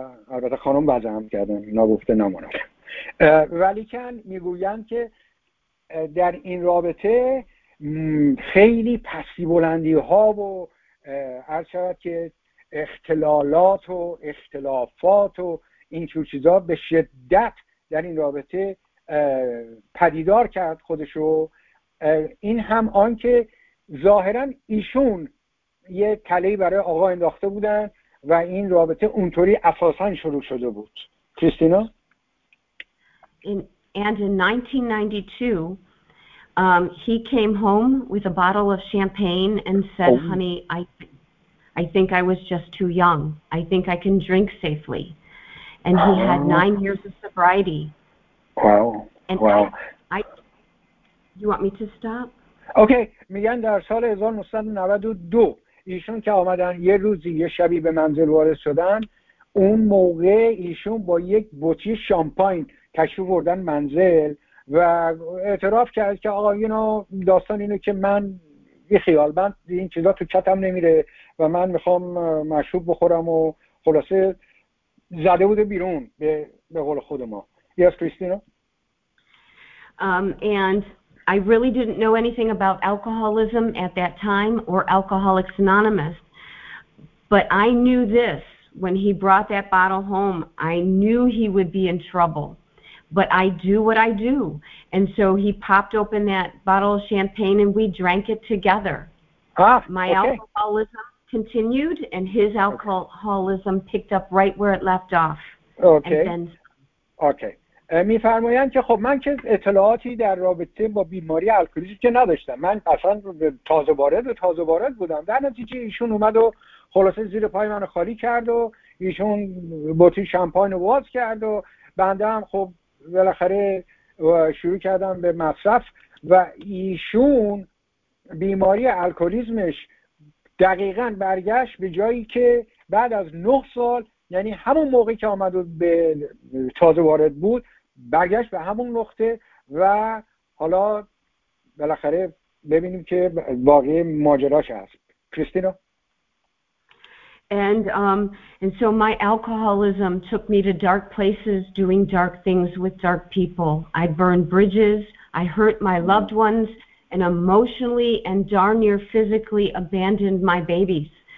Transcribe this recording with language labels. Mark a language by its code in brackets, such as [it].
[fa] البته خانم بعد هم کردن نگفته نمونم ولیکن میگویند که در این رابطه خیلی پسی بلندی ها و عرض شد که اختلالات و اختلافات و اینجور چیزا به شدت در این رابطه پدیدار کرد خودشو. این هم آن که ظاهرن ایشون یه تلهی برای آقا انداخته بودن و این رابطه اونطوری اساسا شروع شده بود. کریستینا؟ [en] And in 1992 he came home with a bottle of champagne and said, honey, I think I was just too young. I think I can drink safely. And he had 9 years of sobriety. Wow. And wow. You want me to stop? Okay. [fa] میگن در سال 1992 ایشون که آمدن یه روزی یه شبی به منزل وارد شدن اون موقع ایشون با یک بطری شامپاین تشریف بردن منزل و اعتراف کرد که آقا اینو داستان اینو که من یه خیال بند این چیزا تو کتم نمیره و من میخوام مشروب بخورم و خلاصه زده بوده بیرون به قول خود ما. [en] Yes, Christina? And I really didn't know anything about alcoholism at that time or Alcoholics Anonymous, but I knew this when he brought that bottle home, I knew he would be in trouble. But I do what I do. And so he popped open that bottle of champagne and we drank it together. My alcoholism continued and his alcoholism picked up right where it left off. Okay. [fa] می فرمایند که خب من که اطلاعاتی در رابطه با بیماری الکلیزی که نداشتم. من اصلا تازه وارد بودم. در نتیجه ایشون اومد و خلاصه زیر پای من خالی کرد و ایشون بطری شامپاین رو باز کرد و بنده هم خب بالاخره شروع کردم به مصرف و ایشون بیماری الکلیزمش دقیقا برگشت به جایی که بعد از 9 سال یعنی همون موقعی که آمد به تازه وارد بود برگشت به همون نقطه و حالا بالاخره ببینیم که باقی ماجراش هست. کریستینا؟ [en] And so my alcoholism took me to dark places, doing dark things with dark people. I burned bridges, I hurt my loved ones, and emotionally and darn near physically abandoned my babies.